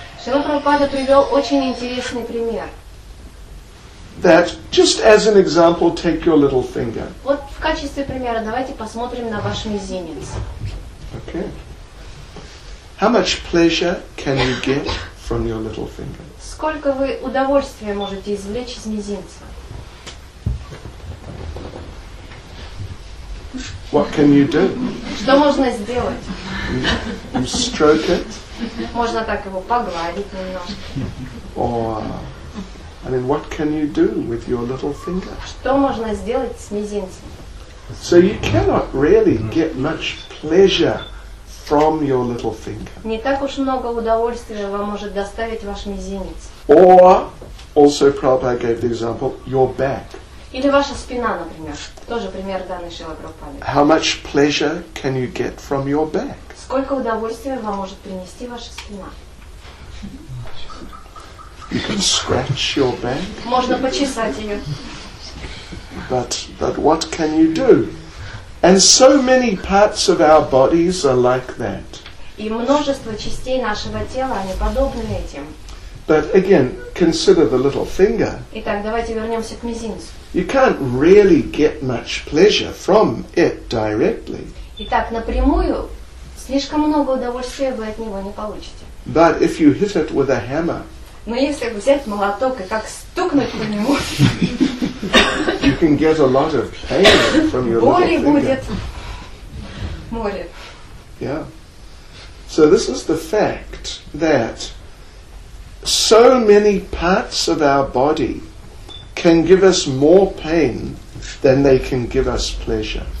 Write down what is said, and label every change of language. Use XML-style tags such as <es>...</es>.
<ru>Шрила Прабхупада привел очень интересный пример.</ru> <en>That just as an example, take your little finger.</en> <ru>Вот в качестве примера давайте посмотрим на ваш мизинец.</ru> <en>Okay. How much pleasure can you get from your little finger?</en> <ru>Сколько вы удовольствия можете извлечь из мизинца?</ru> <en>What can you do?</en> <ru>Что можно сделать?</ru> <en>You stroke it.</en> <ru>Можно так его погладить немножко.</ru> <en>I mean, what can you do with your little finger?</en> <ru>Что можно сделать с мизинцем?</ru> <en>So you cannot really get much pleasure from your little finger.</en> <ru>Не так уж много удовольствия вам может доставить ваш мизинец.</ru> <en>Or, also Prabhupada gave the example, your back.</en> <ru>Или ваша спина, например. Тоже пример данной Шрилы Прабхупады.</ru> <en>How much pleasure can you get from your back?</en> <ru>Сколько удовольствия вам может принести ваша спина?</ru> <en>You can scratch your back.</en> <ru>Можно почесать ее.</ru> <en>But what can you do? And so many parts of our bodies are like that.</en> <ru>И множество частей нашего тела, они подобны этим.</ru> <en>But again, consider the little finger.</en> <ru>Итак, давайте вернемся к мизинцу.</ru> <en>You can't really get much pleasure from it directly.</en> <ru>Итак, напрямую слишком много удовольствия вы от него не получите.</ru> <en>But if you hit it with a hammer.</en> <ru>Но если взять молоток и как стукнуть по нему.</ru> <en>You can get a lot of pain from your little finger.</en> <ru>Боли будет море.</ru> <en>Yeah. So this is the fact that so many parts of our body can give us more pain than they can give us pleasure.</en>